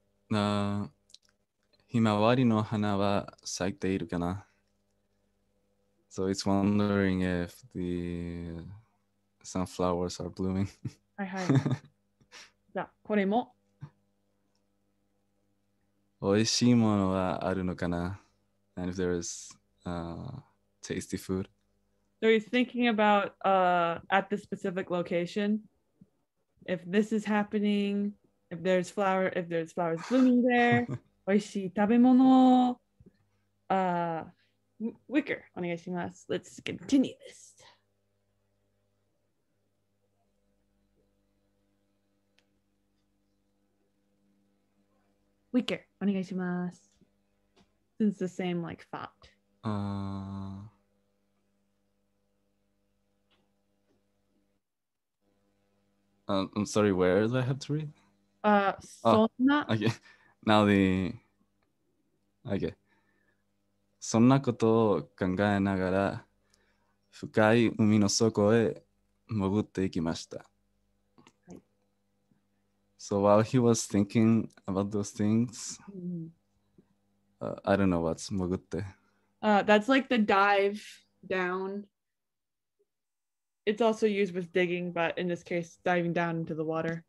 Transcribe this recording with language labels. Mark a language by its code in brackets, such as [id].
[ja] なひまわりの花は咲いているかな。 [en] So it's wondering if the sunflowers are blooming. [ja] はいはい。じゃあこれも。おいしいものはあるのかな。 [en] And if there is tasty food. So he's thinking about at the specific location. If this is happening, if there's flowers blooming there. [ja] Oishii tabemono. [en] Wicker, [ja] onegaishimasu. [en] Let's continue this. Wicker, [ja] onegaishimasu. [en] It's the same like thought. I'm sorry, where do I have to read? [ja] Sonna. [en] Okay. Now the... Okay. [ja] そんなことを考えながら深い海の底へ潜っていきました。 [en] So while he was thinking about those things, I don't know what's 潜って。 That's like the dive down. It's also used with digging, but in this case, diving down into the water.